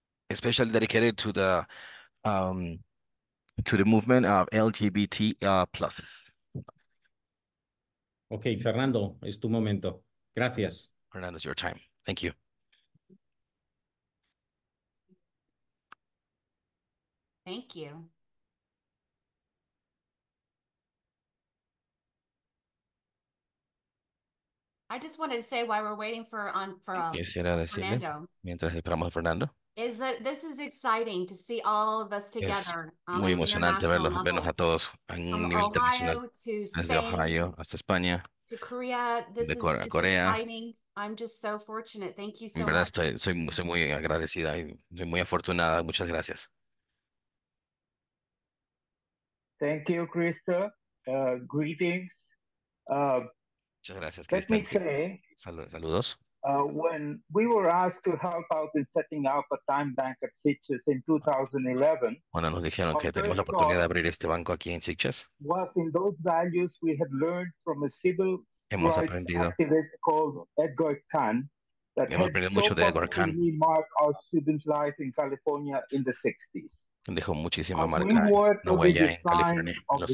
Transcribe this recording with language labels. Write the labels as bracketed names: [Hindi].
[English] Especially dedicated to the movement of LGBT plus. [Spanish] Okay, Fernando, es tu momento. Gracias. [English] Fernando, it's your time. Thank you. Thank you. I just wanted to say while we're waiting for Fernando. Is that this is exciting to see all of us together. [Spanish] Muy emocionante vernos a todos en un nivel internacional. Desde Ohio hasta España. [English] To Korea, this is exciting. I'm just so fortunate. Thank you so much. [Spanish] Soy muy agradecida y soy muy afortunada. Muchas gracias. [English] Thank you, Krista. Greetings. [Spanish] Muchas gracias, Krista. [English] Let me say, [Spanish] saludos. [English] When we were asked to help out in setting up a time bank at Sitges in 2011, [Spanish] bueno, nos dijeron que tenemos la oportunidad de abrir este banco aquí en Sitges. [English] Was in those values we had learned from a civil rights activist called Edgar Tan that [Spanish] hemos aprendido mucho de Edgar Tan. [English] Mark our students' life in California in the 60s. [Spanish] Dejó muchísima marca en una huella en California en los